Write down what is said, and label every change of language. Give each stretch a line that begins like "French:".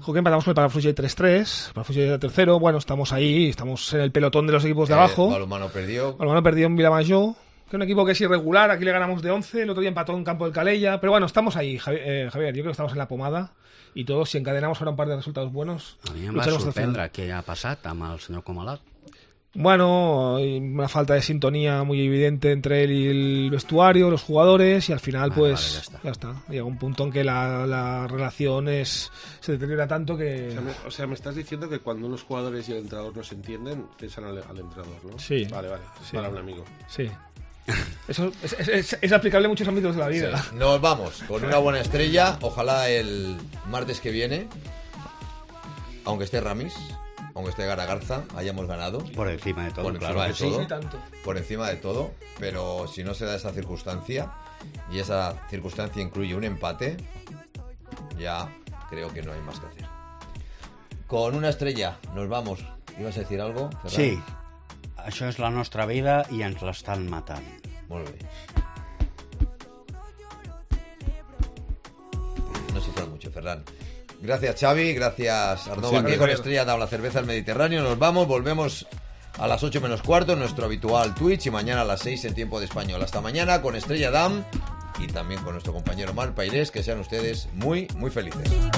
Spanish: Hockey empatamos con el Palafrugell 3-3. Palafrugell era tercero. Bueno, estamos ahí. Estamos en el pelotón de los equipos de abajo. Balonmano perdió. Balonmano perdió en Vilamajor. Que es un equipo que es irregular. Aquí le ganamos de 11. El otro día empató en campo del Calella. Pero bueno, estamos ahí, Javier. Yo creo que estamos en la pomada. Y todos, si encadenamos ahora un par de resultados buenos...
Catalan: A mí me va a sorprendre que ha passat amb el senyor Comalat.
Spanish: Bueno, hay una falta de sintonía muy evidente entre él y el vestuario, los jugadores, y al final, ya está. Llega un punto en que la relación se deteriora tanto que... O sea, me estás diciendo que cuando unos jugadores y el entrenador no se entienden, piensan al entrenador, ¿no? Sí. Vale, para un amigo. Sí. Eso es aplicable a muchos ámbitos de la vida. Sí. Nos vamos con una buena estrella, ojalá el martes que viene, aunque esté Ramis... Aunque esté Garagarza, hayamos ganado. Por encima de todo, claro. Por encima de todo. Por encima de todo. Pero si no se da esa circunstancia, y esa circunstancia incluye un empate, ya creo que no hay más que hacer. Con una estrella, nos vamos. ¿Ibas a decir algo, Ferran? Sí.
Catalan: Això és la nostra vida i ens l'estan matant. Molt bé.
Spanish: No se trata mucho, Ferran. Gracias Xavi, gracias Arnau aquí con Estrella de la Cerveza del Mediterráneo. Nos vamos, volvemos a las 8:15 en nuestro habitual Twitch y mañana a las 6 en Tiempo de Español. Hasta mañana con Estrella Damm y también con nuestro compañero Marc Pairés. Que sean ustedes muy, muy felices.